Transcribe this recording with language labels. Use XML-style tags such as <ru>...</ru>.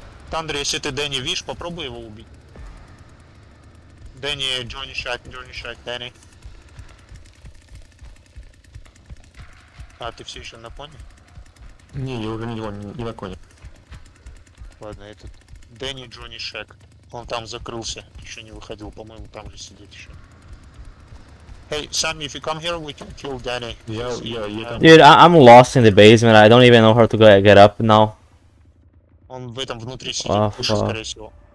<ru>Тандри, если ты Дэнни видишь, попробуй его убить. Дэнни, Джонни Шайк, Дэнни. А, ты все еще на пони? Не, я уже не на коне. Ладно, этот... Дэнни, Джонни Шайк. Он там закрылся, еще не выходил, по-моему, там же сидит еще.</ru> <en>Hey, Sam, if you come here, we can kill Danny. Yeah. Dude, I'm lost in the basement, I don't even know how to get up now.</en> <ru>Он в этом внутри сидит, кушает, скорее всего.</ru>